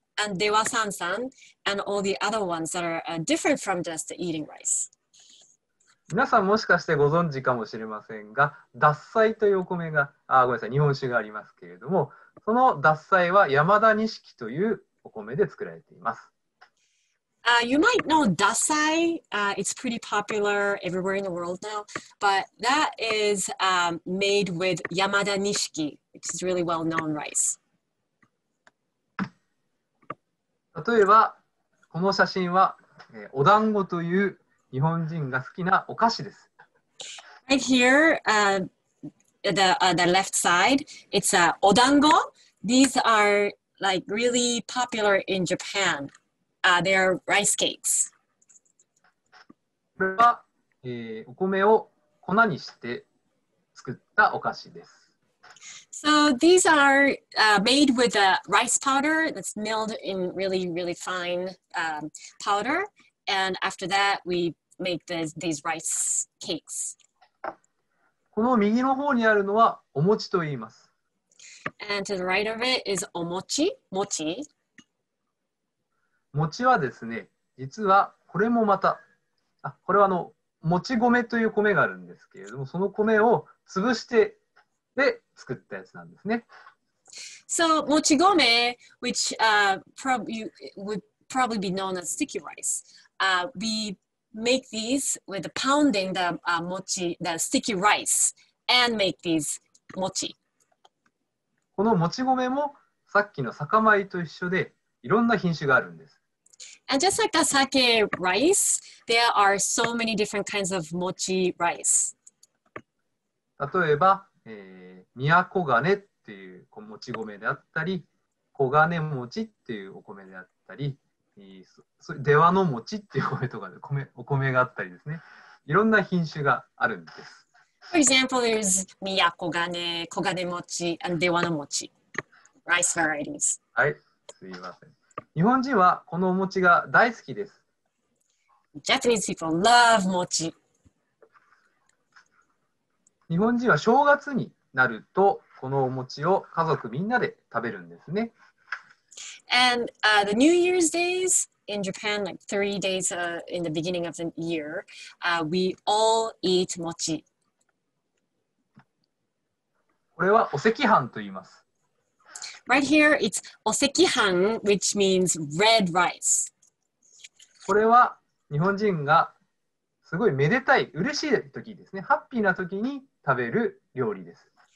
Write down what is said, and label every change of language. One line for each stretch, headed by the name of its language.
English: and Dewa Sansan, and all the other ones that are different from just eating rice.
Japanese: 皆さんもしかしてご存知かもしれませんが、獺祭というお米が、あ、ごめんなさい、日本酒がありますけれども、その獺祭は山田錦というお米で作られています。
English: You might know 獺祭. It's pretty popular everywhere in the world now. But that is made with 山田錦, which is really well-known rice.
Japanese: 例えば、この写真は、お団子という日本人が好きなお菓子です。
English: Right here, the left side, it's a odango. These are like really popular in Japan. They are rice cakes.
Japanese: これは、お米を粉にして作ったお菓子です。
English: So these are made with a rice powder that's milled in really, really fine powder. And after that, we make these rice cakes.
Japanese: この右の方にあるのはお餅と言います。
English: And to the right of it is お餅、餅。
Japanese: 餅はですね、実はこれもまた、あ、これはもち米という米があるんですけれども、その米を潰して、で作ったやつなんですね。
English: So, もち米, which would probably be known as sticky rice, we make these with pounding the mochi, the sticky rice, and make these mochi.
Japanese: このもち米もさっきの酒米と一緒でいろんな品種があるんです。
English: And just like the sake rice, there are so many different kinds of mochi rice.
Japanese: 例えば、宮古金っていうもち米であったり、小金餅っていうお米であったり、出羽の餅っていう米とかで米お米があったりですね、いろんな品種があるんです。
English: For example, there's 宮古金、小金餅、and 出羽の餅 rice varieties.
Japanese: はい、すいません。日本人はこのお餅が大好きです。
English: Japanese people love 餅。
Japanese: 日本人は正月になるとこのお餅を家族みんなで食べるんですね。
English: And the New Year's days in Japan, like 3 days in the beginning of the year, we all eat mochi.
Japanese: これはお赤飯と言います。
English: Right here, it's お赤飯, which means red rice.
Japanese: これは日本人がすごいめでたい、嬉しい時ですね。ハッピーな時に食べる料理です。